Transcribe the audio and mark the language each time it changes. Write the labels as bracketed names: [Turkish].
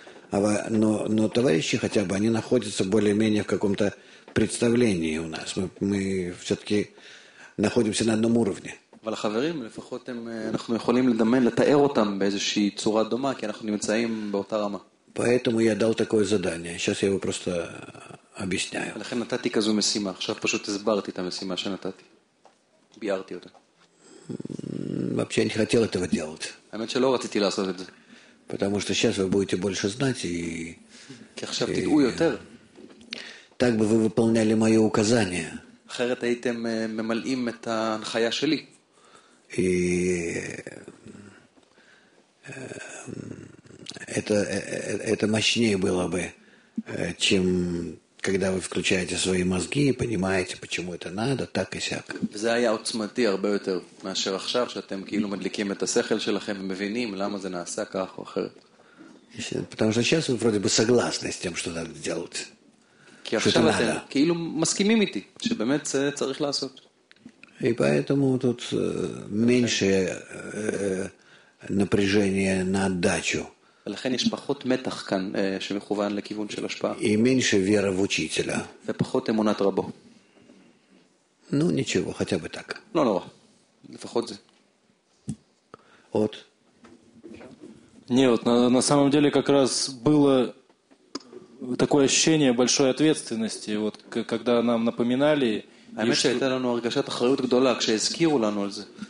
[Russian] Но товарищи хотя бы, они находятся более-менее в каком-то представлении у нас. Мы все-таки находимся на одном уровне. [Hebrew] אבל החברים, לפחות הם, אנחנו יכולים לדמיין, לתאר אותם באיזושהי צורה דומה, כי אנחנו נמצאים באותה רמה. [Russian] Поэтому я дал такое задание. Сейчас я его просто объясняю. [Hebrew] לכן נתתי כזו משימה. עכשיו פשוט הסברתי את המשימה שנתתי. ביארתי אותה. [Russian] Вообще я не хотел этого делать. [Hebrew] האמת שלא רציתי לעשות את זה. [Russian] Потому что сейчас вы будете больше знать и... [Hebrew] כי עכשיו תדעו יותר. [Russian] Так бы вы выполняли мое указание. [Hebrew] אחרת הייתם ממלאים את ההנחיה שלי. [Russian] И это мощнее было бы, чем когда вы включаете свои мозги и понимаете, почему это надо, так и сяк. [Hebrew] זה היה עוצמתי הרבה יותר מאשר עכשיו, שאתם כאילו מדליקים את השכל שלכם ומבינים למה זה נעשה כך או אחרת. [Russian] Потому что сейчас вы вроде бы согласны с тем, что надо делать. [Hebrew] כי עכשיו אתם כאילו מסכימים איתי, שבאמת זה צריך לעשות. [Russian] И поэтому тут меньше напряжения на отдачу. [Hebrew] ולכן יש פחות מתח כאן שמכוון לכיוון של השפעה. [Russian] И меньше веры в учителя. [Hebrew] ופחות אמונת רבו. [Russian] Ну ничего, хотя бы так. [Hebrew] לא נורא. לפחות זה. עוד? [Russian] Нет, на самом деле как раз было такое ощущение большой ответственности, вот когда нам напоминали. [Hebrew] האמת שהייתה לנו הרגשת אחריות גדולה כשהזכירו לנו על זה.